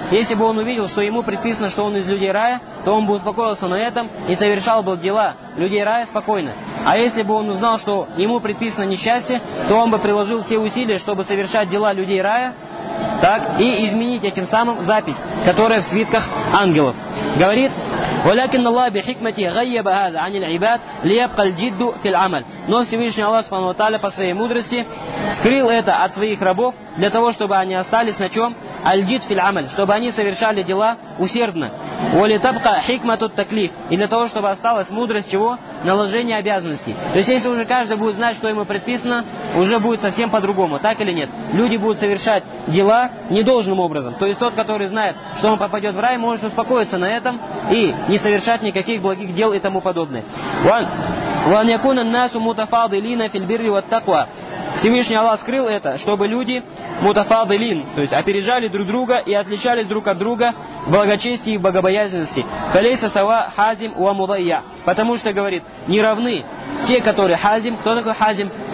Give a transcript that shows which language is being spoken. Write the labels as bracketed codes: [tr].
[ru] Если бы он увидел, что ему предписано, что он из людей рая, то он бы успокоился на этом и совершал бы дела людей рая спокойно. А если бы он узнал, что ему предписано несчастье, то он бы приложил все усилия, чтобы совершать дела людей рая, так, и изменить этим самым запись, которая в свитках ангелов. Говорит, [ar] ولكن الله بحكمته غيب هذا عن العباد ليبقى الجد في العمل. [ru] Но Всевышний Аллах Субхану ва Тааля по своей мудрости скрыл это от своих рабов для того, чтобы они остались на чем? [ar] Аль-джид фил амаль, [ru] чтобы они совершали дела усердно. [ar] ولتبقى حكمة التكليف, [ru] и для того, чтобы осталась мудрость чего? Наложение обязанностей. То есть если уже каждый будет знать, что ему предписано, уже будет совсем по-другому, так или нет? Люди будут совершать дела недолжным образом. То есть тот, который знает, что он попадет в рай, может успокоиться на этом и не совершать никаких благих дел и тому подобное. [ar] وأن يكون الناس متفاضلين في البر والتقوى. [ru] Всевышний Аллах скрыл это, чтобы люди мутафадилин, то есть опережали друг друга и отличались друг от друга в благочестии и богобоязненности. [ar] Халейса сава хазим уа мудайя. [ru] Потому что, говорит, не равны те, которые хазим. Кто такой хазим?